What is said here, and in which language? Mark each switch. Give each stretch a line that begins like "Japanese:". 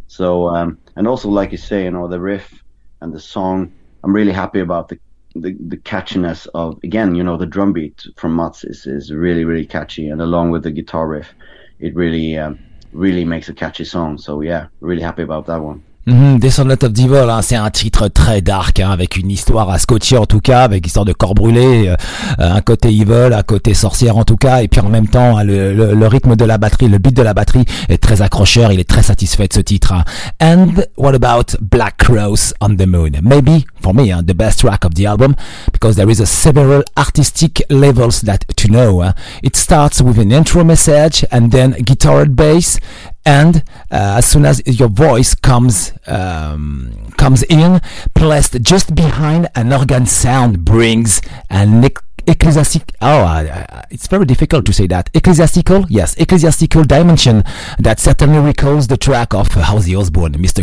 English: So, and also, like you say, you know, the riff and the song, I'm really happy about the catchiness of, again, you know, the drum beat from Mats is really, really catchy. And along with the guitar riff, it really, really makes a catchy song. So, yeah, really happy about that one. Mm-hmm.
French: Descendant of Devil, hein, c'est un titre très dark, hein, avec une histoire à scotcher en tout cas, avec histoire de corps brûlé, un côté evil, un côté sorcière en tout cas, et puis en même temps, hein, le rythme de la batterie, le beat de la batterie est très accrocheur, il est très satisfait de ce titre. Hein.
English: And what about Black Crows on the Moon? Maybe, for me, hein, the best track of the album, because there is a several artistic levels that to know. Hein. It starts with an intro message, and then guitar and bass, and as soon as your voice comes in, placed just behind an organ sound, brings an ecclesiastical dimension that certainly recalls the track of Ozzy Osbourne, Mr.